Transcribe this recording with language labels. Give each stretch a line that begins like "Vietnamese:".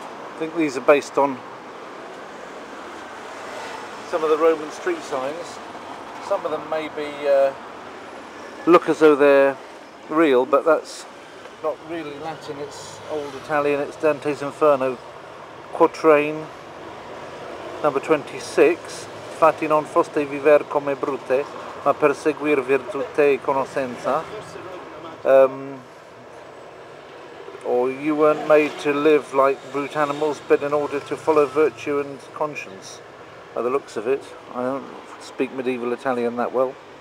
English: I think these are based on some of the Roman street signs. Some of them may be look as though they're real, but that's not really Latin, it's old Italian, it's Dante's Inferno quatrain number 26.
Italian: Fatti non foste viver come brute, ma per seguir virtute e conoscenza.
English: Or you weren't made to live like brute animals, but in order to follow virtue and conscience, by the looks of it. I don't speak medieval Italian that well.